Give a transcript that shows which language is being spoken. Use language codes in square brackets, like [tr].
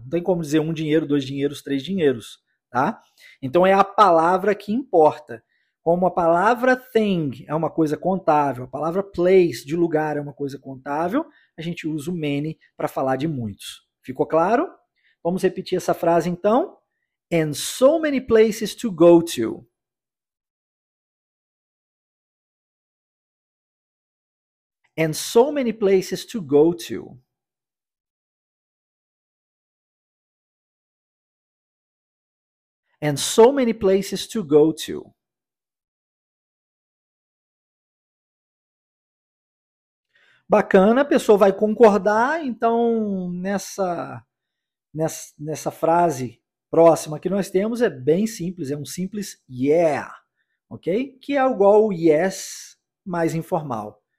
[pt] Não tem como dizer um dinheiro, dois dinheiros, três dinheiros, tá? Então é a palavra que importa. Como a palavra thing é uma coisa contável, a palavra place, de lugar, é uma coisa contável, a gente usa o many para falar de muitos. Ficou claro? Vamos repetir essa frase então. [en] And so many places to go to. And so many places to go to. And so many places to go to. [pt] Bacana, a pessoa vai concordar, então nessa frase próxima que nós temos é bem simples, é um simples yeah, ok? Que é igual o yes mais informal.